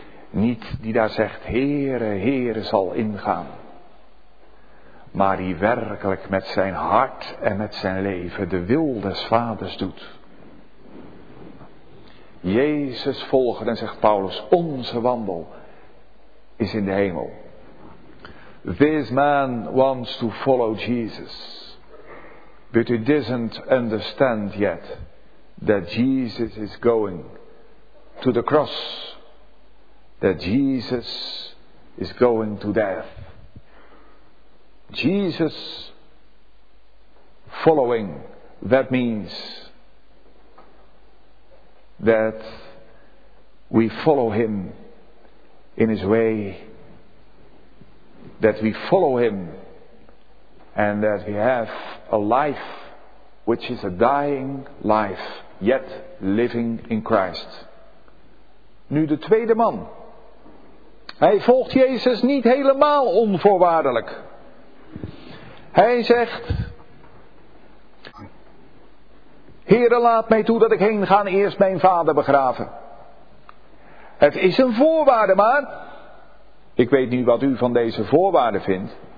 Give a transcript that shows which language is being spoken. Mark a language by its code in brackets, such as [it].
[nl] Niet die daar zegt, Heere, Heere zal ingaan, maar die werkelijk met zijn hart en met zijn leven de wil des Vaders doet. Jezus volgen, en zegt Paulus, onze wandel is in de hemel. [en] This man wants to follow Jesus, but he doesn't understand yet that Jesus is going to the cross, that Jesus is going to death. Jesus following, that means that we follow him in his way, that we follow him, and that we have a life which is a dying life, yet living in Christ. [nl] Nu de tweede man. Hij volgt Jezus niet helemaal onvoorwaardelijk. Hij zegt: Heere, laat mij toe dat ik heen ga en eerst mijn vader begraven. Het is een voorwaarde, maar ik weet niet wat u van deze voorwaarde vindt.